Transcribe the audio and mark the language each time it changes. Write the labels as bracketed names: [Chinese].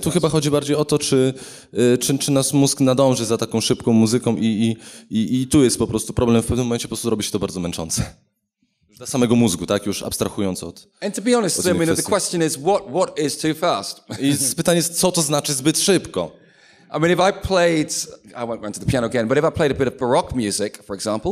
[Polish] Tu chyba chodzi bardziej o to, czy nasz mózg nadąży za taką szybką muzyką i tu jest po prostu problem. W pewnym momencie po prostu robi się to bardzo męczące. Już dla samego mózgu, tak? Już abstrahując od... [English] And to be honest, I mean, the question is, what is too fast? [Polish] I pytanie jest, co to znaczy zbyt szybko? [English] I mean, if I played... I won't run to the piano again, but if I played a bit of baroque music, for example...